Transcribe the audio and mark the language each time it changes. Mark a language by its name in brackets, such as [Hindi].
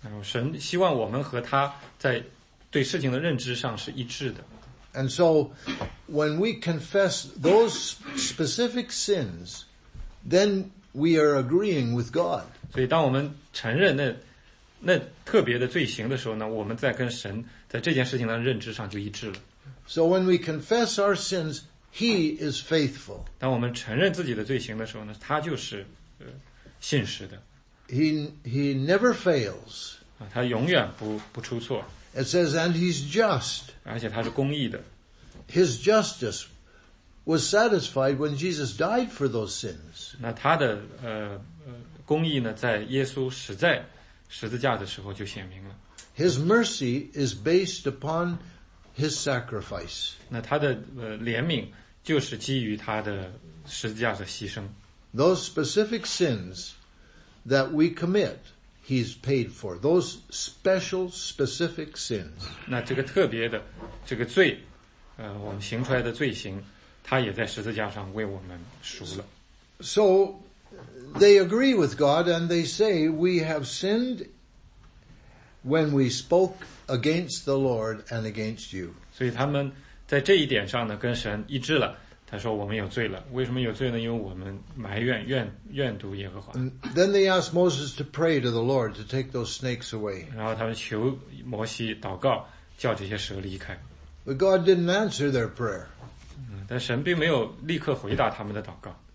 [Chinese] 神希望我们和他在对事情的认知上是一致的。 [English] And so, when we confess those specific sins, then we are agreeing with God. [Chinese] 所以当我们承认那特别的罪行的时候呢，我们在跟神在这件事情的认知上就一致了。 [English] So when we confess our sins, He is faithful. [Chinese] 当我们承认自己的罪行的时候呢，他就是信实的。 [English] He never fails. [Chinese] 他永远不出错。 [English] It says, and he's just. [Chinese] 而且他是公义的。 [English] His justice was satisfied when Jesus died for those sins. [Chinese] 那他的公义呢，在耶稣死在十字架的时候就显明了。 [English] His mercy is based upon his sacrifice. [Chinese] 那他的怜悯就是基于他的十字架的牺牲。 [English] Those specific sins that we commit, He's paid for. Those special, specific sins. [Chinese] 那这个特别的这个罪，我们行出来的罪行，他也在十字架上为我们赎了。 [English] So they agree with God, and they say we have sinned when we spoke against the Lord and against you. [Chinese] 所以他们在这一点上呢，跟神一致了。他说我们有罪了，为什么有罪呢？因为我们埋怨怨读耶和华。 [English] Then they asked Moses to pray to the Lord to take those snakes away. [Chinese] 然后他们求摩西祷告，叫这些蛇离开。 [English] But God didn't answer their prayer. [Chinese] 但神并没有立刻回答他们的祷告。